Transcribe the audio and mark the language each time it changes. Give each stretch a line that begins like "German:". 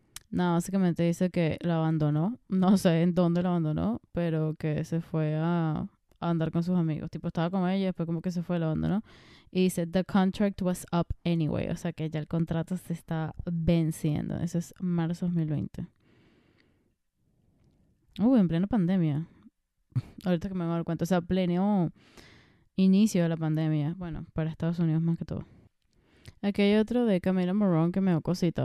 Spanish: Básicamente dice que la abandonó. No sé en dónde la abandonó, pero que se fue a andar con sus amigos. Tipo, estaba con ella y después como que se fue, la abandonó. Y dice,
English: the contract was up anyway.
Spanish: O sea, que ya el contrato se está venciendo. Eso es marzo 2020. En plena pandemia. Ahorita que me voy a dar cuenta. O sea, pleno inicio de la pandemia. Bueno, para Estados Unidos más que todo. Aquí hay otro de Camila Morrone que me dio cosita.